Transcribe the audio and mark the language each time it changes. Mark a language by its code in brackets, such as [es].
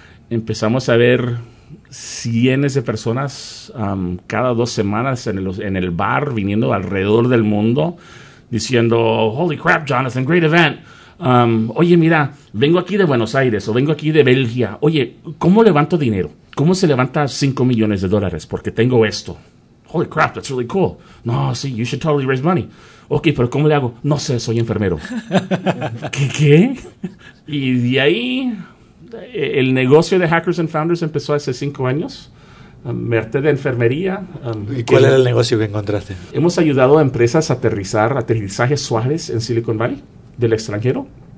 [es] Empezamos a ver cientos de personas cada 2 semanas en el bar, viniendo alrededor del mundo, diciendo, [en] holy crap, Jonathan, great event. [es] Oye, mira, vengo aquí de Buenos Aires o vengo aquí de Bélgica. Oye, ¿cómo levanto dinero? ¿Cómo se levanta 5 millones de dólares? Porque tengo esto. [en] holy crap, that's really cool. [es] No, sí, [en] you should totally raise money. [es] Ok, pero ¿cómo le hago? No sé, soy enfermero. ¿Qué, qué? Y de ahí, el negocio de Hackers and Founders empezó hace 5 años. Me harté de enfermería. ¿Y cuál era el negocio que encontraste? Hemos ayudado a empresas a aterrizajes suaves en Silicon Valley, del extranjero.